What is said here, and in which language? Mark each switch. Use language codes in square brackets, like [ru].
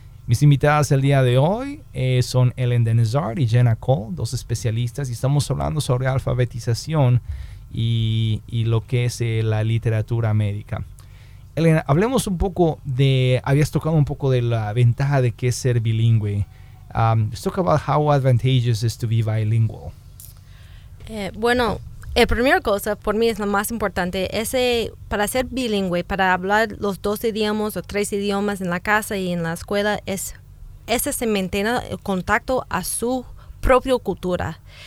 [es] Mis invitadas el día de hoy son Ellen Denizard y Jenna Cole, dos especialistas. Y estamos hablando sobre alfabetización y lo que es la literatura médica. Ellen, hablemos un poco habías tocado un poco de la ventaja de que es ser bilingüe. [en] Let's talk about how advantageous is to be bilingual. [es] Bueno, el primer cosa por mí es lo más importante, es para ser bilingüe, para hablar los dos idiomas o tres idiomas en la casa y en la escuela, ese se mantiene el contacto a su propia cultura.